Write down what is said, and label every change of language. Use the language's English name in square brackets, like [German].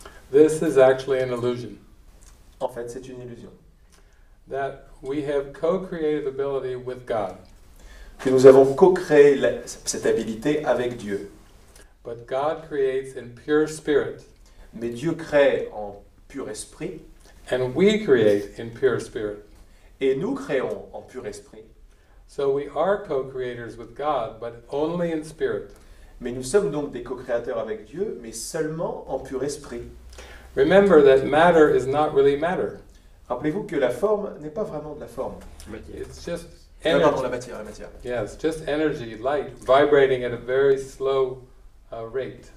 [English] This is actually an illusion. [French] En fait, c'est une illusion. [English] That we have co-creative ability with God. [French] Que nous avons co-créé cette habilité avec Dieu. [English] But God creates in pure spirit. [French] Mais Dieu crée en pur esprit. [English] And we create in pure spirit. [French] Et nous créons en pur esprit. [English] So we are co-creators with God, but only in spirit. [French] Mais nous sommes donc des co-créateurs avec Dieu, mais seulement en pur esprit. [English] Remember that matter is not really matter. [French] Rappelez-vous que la forme n'est pas vraiment de la forme. [English] It's just energy. [French] Non, la matière. [English] Yes, just energy, light, vibrating at a very slow rate.